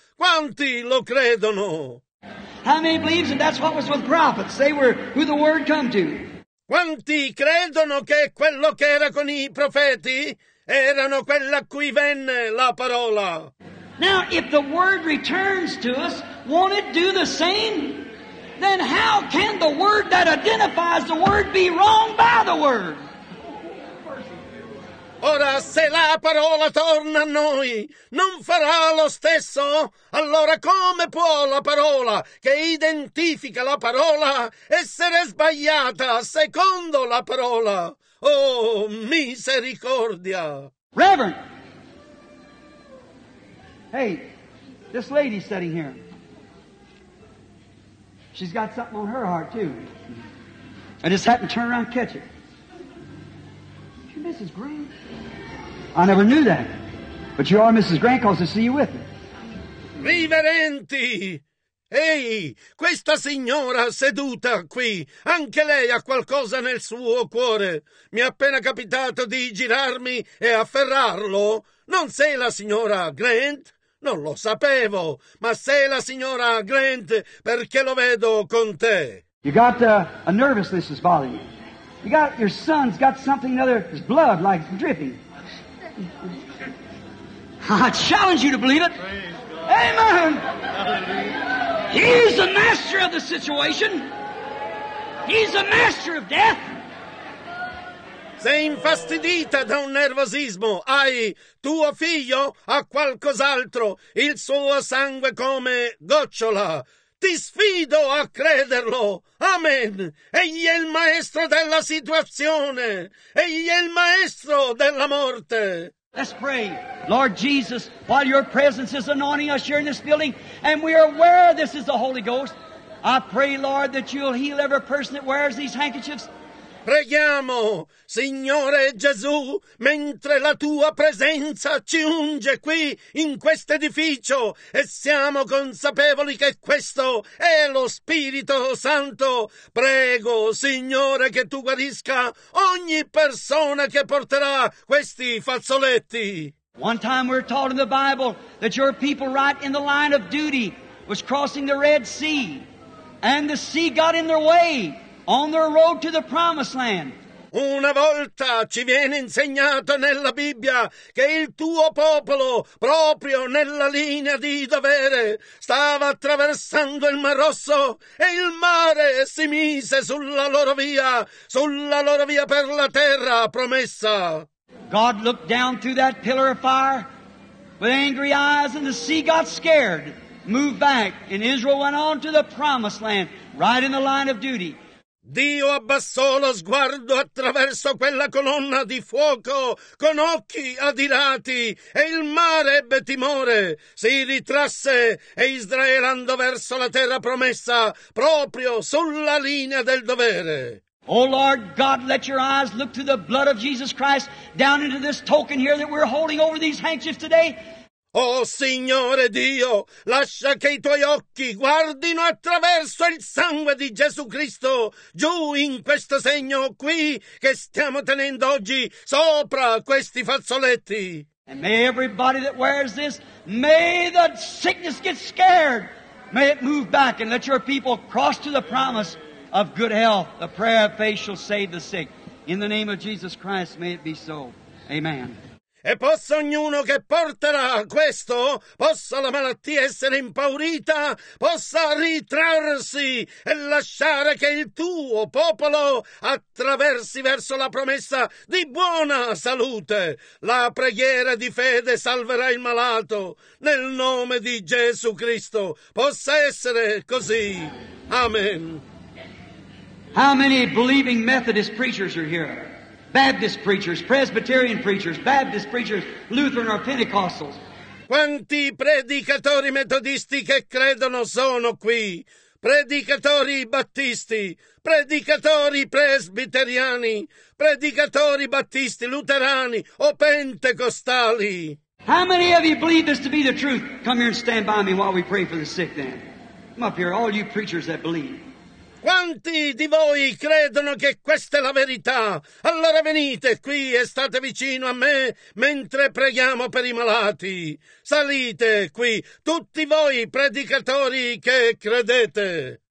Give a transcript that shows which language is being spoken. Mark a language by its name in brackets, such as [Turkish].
[Italian] Quanti lo credono? [English] How many believes that that's what was with prophets? They were who the word come to. [Italian] Quanti credono che quello che era con i profeti erano quella a cui venne la parola? [English] Now, if the word returns to us, won't it do the same? Then how can the word that identifies the word be wrong by the word? [Italian] Ora, se la parola torna a noi, non farà lo stesso? Allora come può la parola che identifica la parola essere sbagliata secondo la parola? Oh, misericordia! [English] Reverend! Hey, this lady sitting here. She's got something on her heart, too. I just happened to turn around and catch it. Mrs. Grant? I never knew that, but you are Mrs. Grant, cause to see you with me. [Italian] Riverenti! Ehi, questa signora seduta qui, anche lei ha qualcosa nel suo cuore. Mi è appena capitato di girarmi e afferrarlo. Non sei la signora Grant? Non lo sapevo, ma sei la signora Grant perché lo vedo con te. [English] You got a nervousness is bothering you. You got your son's got something other, his blood like dripping. I challenge you to believe it. Amen. He's the master of the situation. He's the master of death. [Italian] Sei infastidita da un nervosismo. Hai tuo figlio? Ha qualcos'altro? Il suo sangue come gocciola. Ti sfido a crederlo. Amen. Egli è il maestro della situazione. Egli è il maestro della morte. [English] Let's pray. Lord Jesus, while your presence is anointing us here in this building, and we are aware this is the Holy Ghost, I pray, Lord, that you'll heal every person that wears these handkerchiefs. [Italian] Preghiamo, Signore Gesù, mentre la Tua presenza ci unge qui in questo edificio e siamo consapevoli che questo è lo Spirito Santo, prego, Signore, che Tu guarisca ogni persona che porterà questi fazzoletti. [English] One time we're taught in the Bible that your people right in the line of duty was crossing the Red Sea and the sea got in their way. On their road to the promised land. [Italian] Una volta ci viene insegnato nella Bibbia che il tuo popolo, proprio nella linea di dovere, stava attraversando il Mar Rosso e il mare si mise sulla loro via per la terra promessa. [English] God looked down through that pillar of fire with angry eyes and the sea got scared, moved back, and Israel went on to the promised land, right in the line of duty. [Italian] Dio abbassò lo sguardo attraverso quella colonna di fuoco con occhi adirati e il mare ebbe timore. Si ritrasse e Israele andò verso la terra promessa proprio sulla linea del dovere. [English] Oh Lord God, let your eyes look to the blood of Jesus Christ down into this token here that we're holding over these handkerchiefs today. [Italian] Oh Signore Dio, lascia che i tuoi occhi guardino attraverso il sangue di Gesù Cristo giù in questo segno qui che stiamo tenendo oggi sopra questi fazzoletti. [English] And may everybody that wears this, may the sickness get scared. May it move back and let your people cross to the promise of good health. The prayer of faith shall save the sick. In the name of Jesus Christ, may it be so. Amen. [Italian] E possa ognuno che porterà questo, possa la malattia essere impaurita, possa ritrarsi e lasciare che il tuo popolo attraversi verso la promessa di buona salute. La preghiera di fede salverà il malato. Nel nome di Gesù Cristo, possa essere così. Amen. [English] How many believing Methodist preachers are here? Baptist preachers, Presbyterian preachers, Baptist preachers, Lutheran or Pentecostals. [Italian] Quanti predicatori metodisti che credono sono qui? Predicatori battisti, predicatori presbiteriani, predicatori battisti, luterani o pentecostali. [English] How many of you believe this to be the truth? Come here and stand by me while we pray for the sick then. Come up here, all you preachers that believe. [Italian] Quanti di voi credono che questa è la verità? Allora venite qui e state vicino a me mentre preghiamo per i malati. Salite qui, tutti voi predicatori che credete.